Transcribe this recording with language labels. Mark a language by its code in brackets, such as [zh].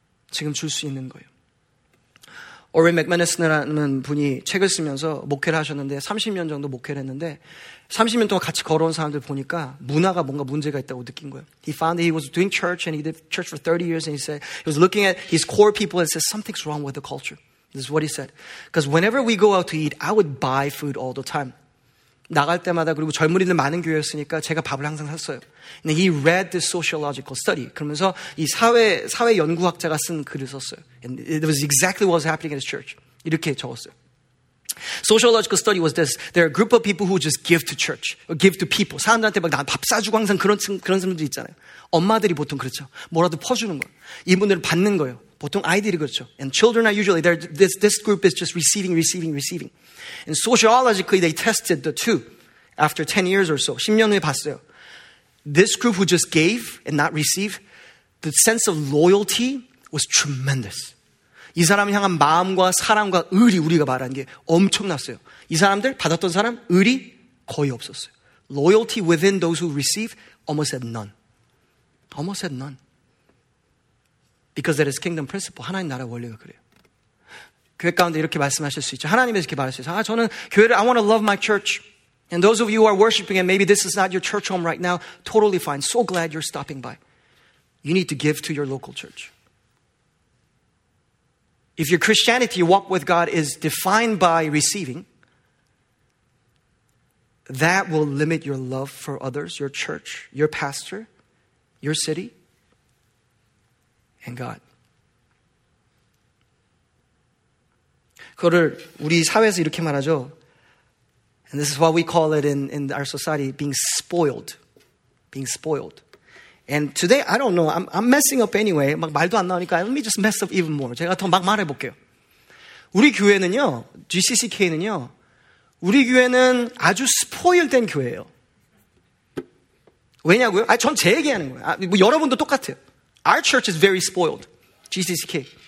[ko] 지금 줄 수 있는 거예요. 오렌 맥메네스라는 분이 책을 쓰면서 목회를 하셨는데 30년 정도 목회를 했는데 30년 동안 같이 걸어온 사람들 보니까 문화가 뭔가 문제가 있다고 느낀 거예요. [en] He found that he was doing church and he did church for 30 years and he said he was looking at his core people and said something's wrong with the culture. This is what he said. Because whenever we go out to eat, I would buy food all the time. [ko] 나갈 때마다 그리고 젊은이들 많은 교회였으니까 제가 밥을 항상 샀어요. [en] And he read this sociological study. [ko] 그러면서 이 사회 연구학자가 쓴 글을 썼어요. [en] And it was exactly what was happening at his church. [ko] 이렇게 적었어요. [en] Sociological study was this. There are a group of people who just give to church, or give to people. [ko] 사람들한테 막 난 밥 사주고 항상 그런 사람들 있잖아요. 엄마들이 보통 그렇죠. 뭐라도 퍼주는 거. 이분들을 받는 거예요. 보통 아이들이 그렇죠. [en] And children are usually, this group is just receiving. And sociologically, they tested the two after 10 years or so. [ko] 10년 후에 봤어요. [en] This group who just gave and not receive, the sense of loyalty was tremendous. [ko] 이 사람을 향한 마음과 사랑과 의리 우리가 말하는 게 엄청났어요. 이 사람들, 받았던 사람, 의리 거의 없었어요. [en] Loyalty within those who receive, almost had none. Because that is kingdom principle. [ko] 하나님 나라 원리가 그래요. 교회 가운데 이렇게 말씀하실 수 있죠. 하나님에서 이렇게 말할 수 있어요. 아, 저는 교회를, [en] I want to love my church. And those of you who are worshiping and maybe this is not your church home right now, totally fine. So glad you're stopping by. You need to give to your local church. If your Christianity, your walk with God is defined by receiving, that will limit your love for others, your church, your pastor, your city, and God. [ko] 그거를 우리 사회에서 이렇게 말하죠. [en] And this is what we call it in our society, being spoiled. And today, I don't know, I'm messing up anyway. [ko] 막 말도 안 나오니까, [en] let me just mess up even more. [ko] 제가 더 막 말해볼게요. 우리 교회는요, GCCK는요, 우리 교회는 아주 스포일된 교회예요. 왜냐고요? 아, 전 제 얘기하는 거예요. 아, 뭐 여러분도 똑같아요. [en] Our church is very spoiled. GCCK.